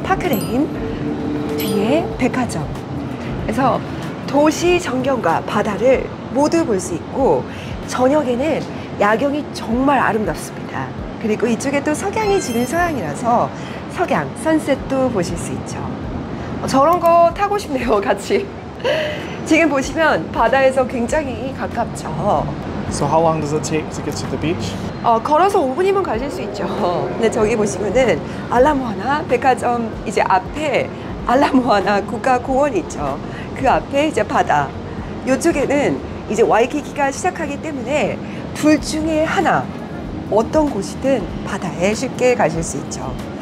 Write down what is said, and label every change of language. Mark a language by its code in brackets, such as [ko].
[ko] 파크레인, 뒤에 백화점. 그래서 도시 전경과 바다를 모두 볼 수 있고 저녁에는 야경이 정말 아름답습니다. 그리고 이쪽에 또 석양이 지는 서양이라서 석양, 선셋도 보실 수 있죠. 저런 거 타고 싶네요, 같이. 지금 보시면 바다에서 굉장히 가깝죠. [en] So how long does it take to get to the beach? [ko] 걸어서 5분이면 가실 수 있죠. 근데 저기 보시면은 알라모아나 백화점 이제 앞에 알라모아나 국가공원이 있죠. 그 앞에 이제 바다. 이쪽에는 이제 와이키키가 시작하기 때문에 둘 중에 하나 어떤 곳이든 바다에 쉽게 가실 수 있죠.